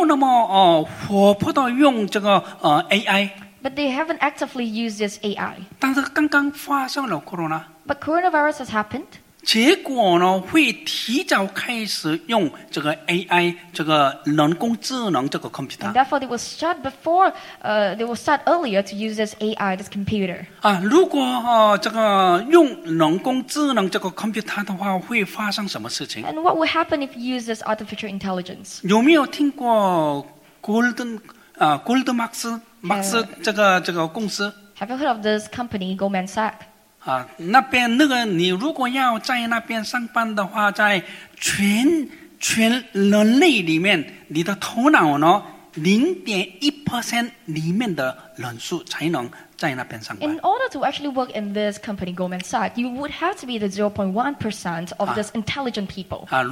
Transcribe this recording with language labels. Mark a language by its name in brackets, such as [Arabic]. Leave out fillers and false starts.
[Chinese] 但是到目前没有那么活泼的用这个AI。 [English] But they haven't actively used this AI. [Chinese] 但是刚刚发生了 corona。 [English] But coronavirus has happened. [Chinese] 结果呢，会提早开始用这个AI， 这个人工智能这个 computer。 [English] And therefore, they will start before, they will start earlier to use this AI, this computer. [Chinese] 如果这个用人工智能这个 computer 的话，会发生什么事情？ [English] And what will happen if you use this artificial intelligence? [Chinese] 有没有听过 Goldman Sachs这个公司？ [English] Have you heard of this company, Goldman Sachs? [Chinese] 那边那个你如果要在那边上班的话，在全人类里面，你的头脑呢 0.1% 里面的人数才能在那边上班。 [English] In order to actually work in this company, Goldman Sachs, you would have to be the 0.1% of this intelligent people.